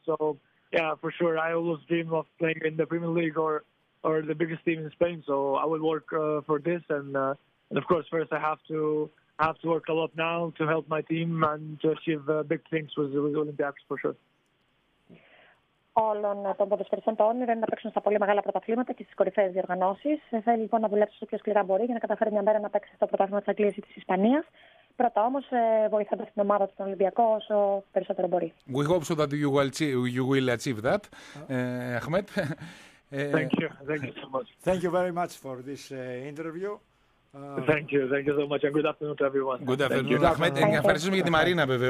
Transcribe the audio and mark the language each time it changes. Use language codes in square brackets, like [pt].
[en] So, yeah, for sure, I always dream of playing in the Premier League or the biggest team in Spain, so I will work for this. And of course, first I have to work a lot now to help my team and to achieve big things with Olympiacos, for sure. [el] Όλων των ποδοσφαιριστών το όνειρο είναι να παίξουν στα πολύ μεγάλα πρωταθλήματα και στις κορυφαίες διοργανώσεις. Θέλει λοιπόν να δουλέψει όσο πιο σκληρά μπορεί για να καταφέρει μια μέρα να παίξει στο πρωτάθλημα της Αγγλίας ή της Ισπανίας. Πρώτα όμως, βοηθώντας την ομάδα του, τον Ολυμπιακό, όσο περισσότερο μπορεί. [en] We hope so that you will achieve that, Ahmed. Thank you so much. Thank you very much for this interview. Thank you so much and good afternoon to everyone. Good afternoon, [el] Ahmed. Ευχαριστούμε για τη Μαρίνα, βέβαια.